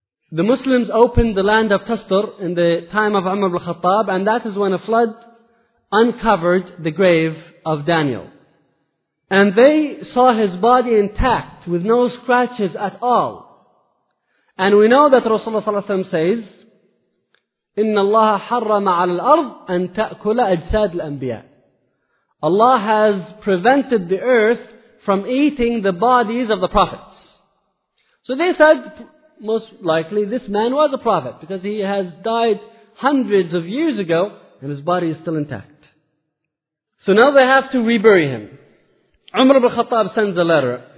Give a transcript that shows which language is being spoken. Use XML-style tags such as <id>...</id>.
<en>The Muslims opened the land of Tastur in the time of Umar ibn Khattab, and that is when a flood uncovered the grave of Daniel. And they saw his body intact with no scratches at all. And we know that Rasulullah ﷺ says,</en> <ar>"إِنَّ اللَّهَ حَرَّمَ عَلَى الْأَرْضِ أَن تَأْكُلَ أَجْسَادِ الْأَنْبِيَاءِ."</ar> <en>Allah has prevented the earth from eating the bodies of the prophets. So they said, most likely, this man was a prophet because he has died hundreds of years ago and his body is still intact. So now they have to rebury him. Umar ibn Khattab sends a letter.</en>